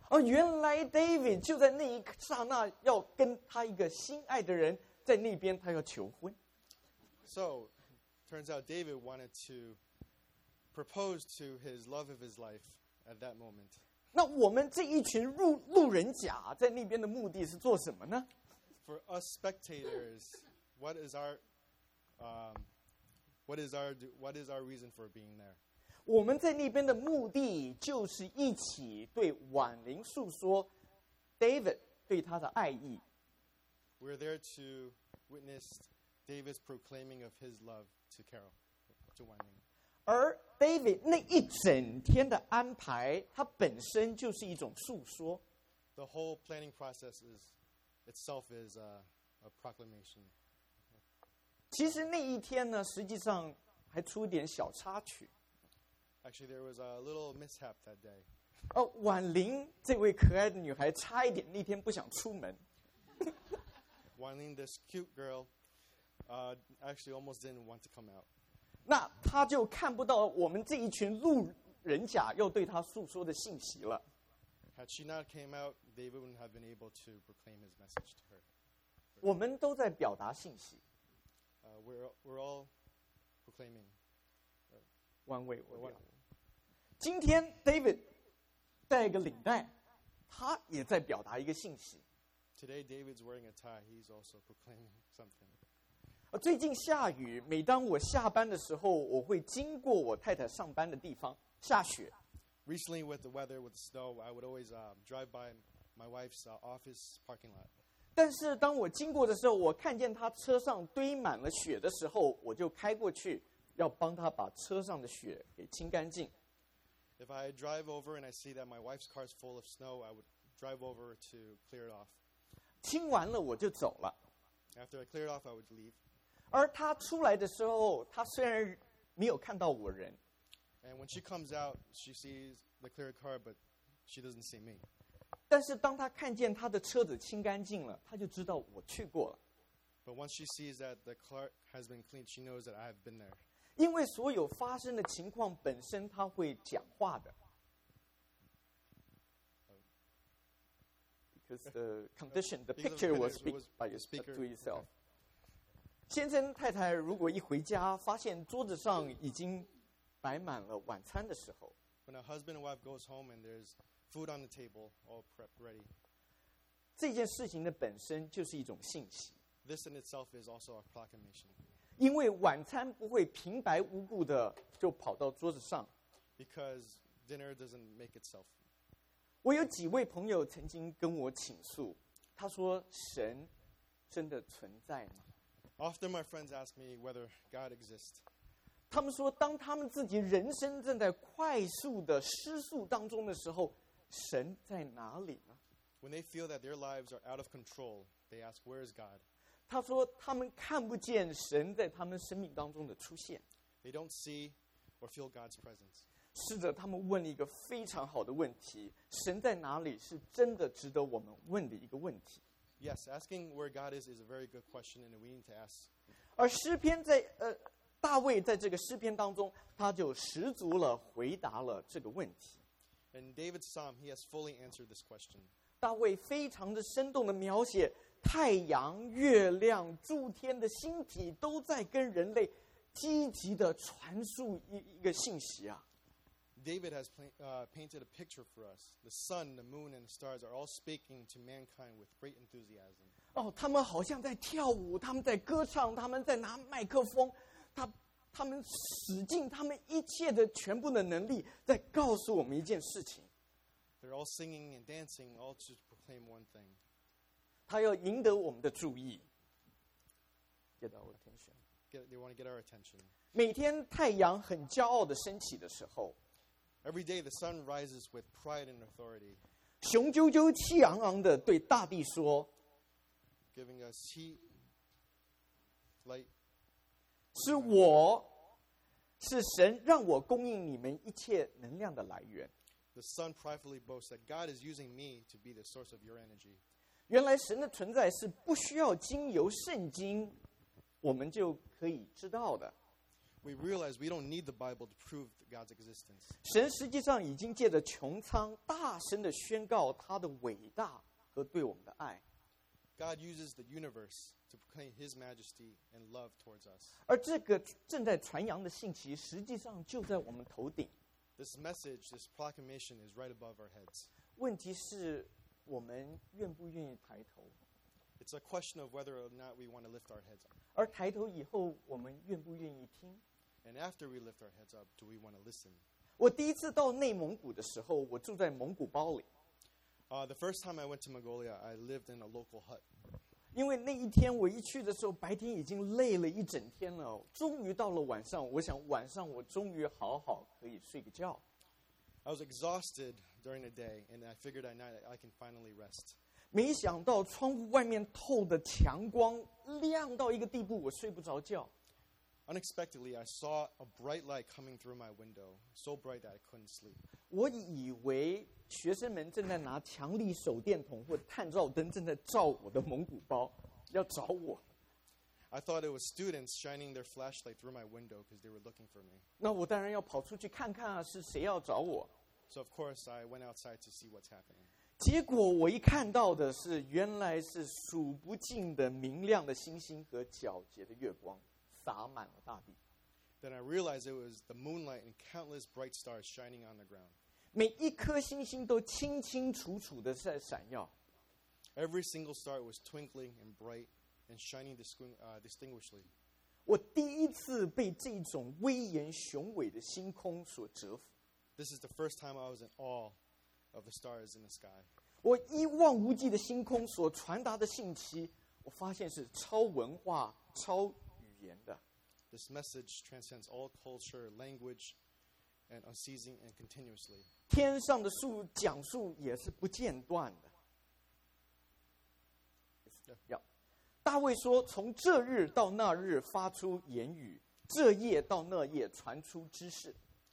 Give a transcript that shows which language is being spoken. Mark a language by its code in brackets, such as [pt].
[zh] 哦，原来 David 就在那一刹那要跟他一个心爱的人在那边，他要求婚。 [en] So turns out David wanted to propose to his love of his life at that moment. [zh] 那我们这一群路人甲在那边的目的是做什么呢 [en] ？For us spectators, what is our What is our reason for being there? [zh] 我们在那边的目的就是一起对婉玲诉说 David 对她的爱意。 [en] We're there to witness David's proclaiming of his love to Carol, to 婉玲。 [zh] 而 David 那一整天的安排，它本身就是一种诉说。 [en] The whole planning process is itself is a proclamation. [zh] 其实那一天呢，实际上还出点小插曲。 [en] Actually, there was a little mishap that day. [zh] 哦，婉玲这位可爱的女孩差一点那天不想出门。 [en] 婉玲 this cute girl, actually almost didn't want to come out. [zh] 那她就看不到我们这一群路人甲要对她诉说的信息了。 [en] Had she not came out, David wouldn't have been able to proclaim his message to her. [zh] 我们都在表达信息。 [en] We're all proclaiming. One way or one. [zh] 今天 David 带一个领带，他也在表达一个信息。 [en] Today David's wearing a tie. He's also proclaiming something. [zh] 最近下雨，每当我下班的时候，我会经过我太太上班的地方，下雪。 [en] Recently, with the weather, with the snow, I would always drive by my wife's office parking lot. [zh] 但是当我经过的时候，我看见他车上堆满了雪的时候，我就开过去，要帮他把车上的雪给清干净。 [en] If I drive over and I see that my wife's car is full of snow, I would drive over to clear it off. [zh] 清完了我就走了。 [en] After I clear it off, I would leave. [zh] 而他出来的时候，他虽然没有看到我人。 [en] And when she comes out, she sees the clear car, but she doesn't see me. [zh] 但是当他看见他的车子清干净了，他就知道我去过了。 [en] But once she sees that the car has been cleaned, she knows that I have been there. [zh] 因为所有发生的情况本身，他会讲话的。 [en] Because the condition, the picture will speak by yourself to yourself. [zh] 先生太太如果一回家发现桌子上已经摆满了晚餐的时候 [en] ，When a husband and wife goes home and there's Food on the table, all prep ready. [zh] 这件事情的本身就是一种信息。 [en] This in itself is also a proclamation. [zh] 因为晚餐不会平白无故的就跑到桌子上。 [en] Because dinner doesn't make itself. [zh] 我有几位朋友曾经跟我倾诉，他说：“神真的存在吗 [en] ？”Often my friends ask me whether God exists. [zh] 他们说，当他们自己人生正在快速的失速当中的时候，神在哪里呢 [en] ？When they feel that their lives are out of control, they ask, "Where is God?" [zh] 他说，他们看不见神在他们生命当中的出现。 [en] They don't see or feel God's presence. [zh] 试着他们问了一个非常好的问题，神在哪里是真的值得我们问的一个问题。 [en] Yes, asking where God is a very good question, and we need to ask. [zh] 而诗篇在大卫在这个诗篇当中，他就十足了回答了这个问题。 [en] In David's psalm, he has fully answered this question. [zh] 大卫非常的生动的描写太阳、月亮、诸天的星体都在跟人类积极的传输一个信息啊。 [en] David has painted a picture for us. The sun, the moon, and the stars are all speaking to mankind with great enthusiasm. [zh] Oh, 他们好像在跳舞，他们在歌唱，他们在拿麦克风，他们使尽他们一切的全部的能力，在告诉我们一件事情。 [en] They're all singing and dancing, all to proclaim one thing. [zh] 他要赢得我们的注意。 [en] Get our attention. They want to get our attention. [zh] 每天太阳很骄傲的升起的时候。 [en] Every day the sun rises with pride and authority. [zh] 雄赳赳气昂昂地对大地说 [en] giving us heat, light. [zh] 是我是神让我供应你们一切能量的来源。 [en] The sun pridefully boasts that God is using me to be the source of your energy. [zh] 原来神的存在是不需要经由圣经我们就可以知道的。 [en] We realize we don't need the Bible to prove God's existence. [zh] 神实际上已经借着穹苍大声地宣告他的伟大和对我们的爱。 [en] God uses the universe to proclaim His majesty and love towards us. [zh] 而这个正在传扬的信息实际上就在我们头顶。 [en] This message, this proclamation is right above our heads. [zh] 问题是我们愿不愿意抬头。 [en] It's a question of whether or not we want to lift our heads up. [zh] 而抬头以后我们愿不愿意听。 [en] And after we lift our heads up, do we want to listen? [zh] 我第一次到内蒙古的时候我住在蒙古包里。 [en] The first time I went to Mongolia, I lived in a local hut. [zh] 因为那一天我一去的时候白天已经累了一整天了终于到了晚上我想晚上我终于好好可以睡个觉。 [en] I was exhausted during the day, and I figured at night I can finally rest. [zh] 没想到窗户外面透的强光亮到一个地步，我睡不着觉。 [en] Unexpectedly, I saw a bright light coming through my window, so bright that I couldn't sleep. [zh] 我以为学生们正在拿强力手电筒或探照灯正在照我的蒙古包，要找我。 [en] I thought it was students shining their flashlight through my window because they were looking for me. [zh] 那我当然要跑出去看看啊，是谁要找我。 [en] So of course, I went outside to see what's happening. [zh] 结果我一看到的是，原来是数不尽的明亮的星星和皎洁的月光，洒满了大地。 [en] Then I realized it was the moonlight and countless bright stars shining on the ground. [zh] 每一颗星星都清清楚楚的在闪耀。 [en] Every single star was twinkling and bright and shining distinguishedly. [zh] 我第一次被这种威严雄伟的星空所折服。 [en] This is the first time I was in awe. Of the stars in the sky. [zh] 我一望无际的星空所传达的信息，我发现是超文化、超语言的。 [en] This message transcends all culture, language, and unceasing and continuously. [zh] 天上的树讲述也是不间断的。大卫说：“从这日到那日发出言语，这夜到那夜传出知识。”